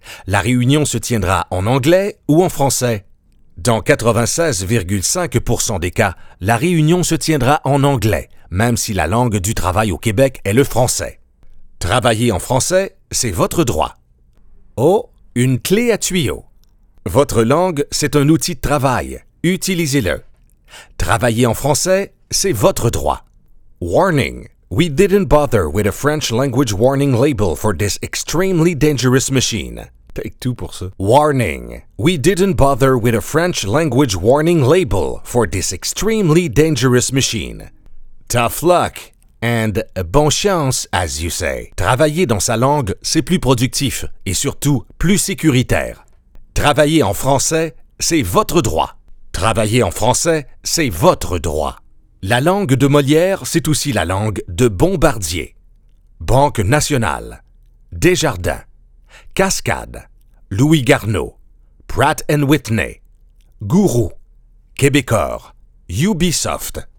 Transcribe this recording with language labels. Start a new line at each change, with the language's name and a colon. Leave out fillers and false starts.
French: La réunion se tiendra en anglais ou en français. Dans 96,5% des cas, la réunion se tiendra en anglais, même si la langue du travail au Québec est le français. Travailler en français, c'est votre droit. Oh, une clé à tuyau. Votre langue, c'est un outil de travail. Utilisez-le. Travailler en français, c'est votre droit.
English: Warning. We didn't bother with a French language warning label for this extremely dangerous machine. Take two
French: pour ça.
English: Warning. We didn't bother with a French language warning label for this extremely dangerous machine. Tough luck and
French: bon chance,
English: as you say.
French: Travailler dans sa langue, c'est plus productif et surtout plus sécuritaire. Travailler en français, c'est votre droit. Travailler en français, c'est votre droit. La langue de Molière, c'est aussi la langue de Bombardier, Banque Nationale, Desjardins, Cascade, Louis Garneau, Pratt & Whitney, Gourou, Québécois, Ubisoft.